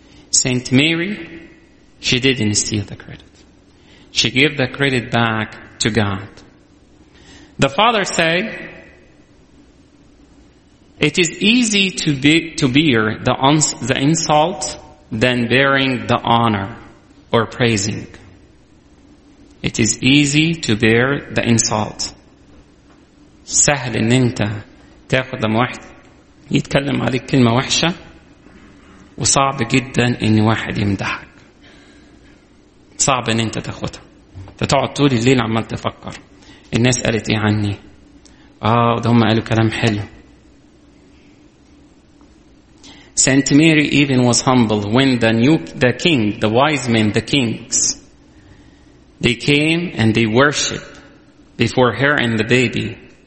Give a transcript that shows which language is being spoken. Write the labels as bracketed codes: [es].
[en] Saint Mary, she didn't steal the credit. She gave the credit back to God. The Father say, it is easy to bear the insult than bearing the honor or praising. It is easy to bear the insult. [ar] سهل ان انت تاخد لما واحد يتكلم عليك كلمة وحشة وصعب جدا ان واحد يمدحك. صعب ان انت تاخدها. تتقعد طول الليل عمال تفكر. الناس قالت ايه عني؟ ده هم قالوا كلام حلو. [en] Saint Mary even was humble when the wise men, the kings, they came and they worshiped before her and the baby.